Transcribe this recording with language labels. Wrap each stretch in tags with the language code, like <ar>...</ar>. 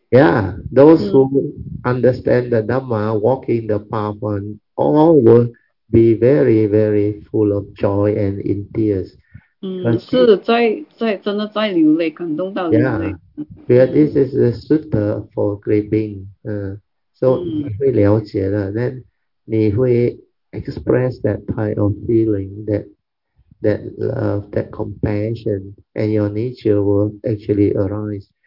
<en>yeah those who understand the Dhamma walking the path on all will be very very full of joy and in tears</en> <zh>是真的在流泪感动到流泪 yeah.</zh> <en>Because this is a sutta for great being. So, then you will express that type of feeling, that love, that compassion, and your nature will actually arise.</en>